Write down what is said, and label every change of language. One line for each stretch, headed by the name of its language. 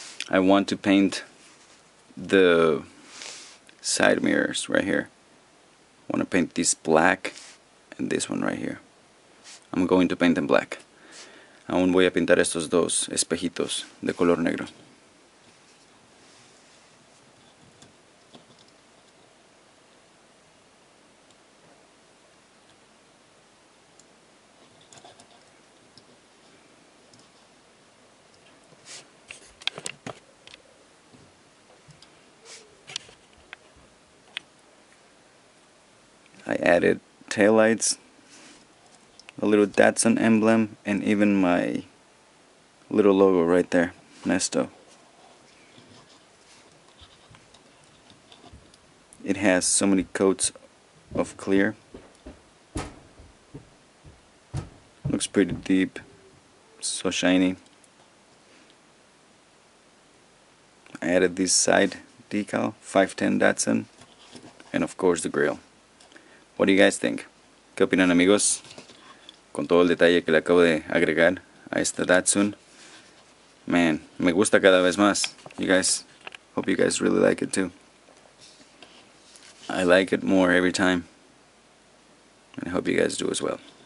English: I want to paint the side mirrors right here. I want to paint this black and this one right here. I'm going to paint them black.
Spanish: Aún voy a pintar estos dos espejitos de color negro.
English: I added taillights, a little Datsun emblem, and even my little logo right there, Nesto. It has so many coats of clear. Looks pretty deep, so shiny. I added this side decal, 510 Datsun, and of course the grill. What do you guys think? ¿Qué opinan, amigos?
Spanish: Con todo el detalle que le acabo de agregar a esta Datsun. Man, me gusta cada vez más.
English: You guys, hope you guys really like it too. I like it more every time. And I hope you guys do as well.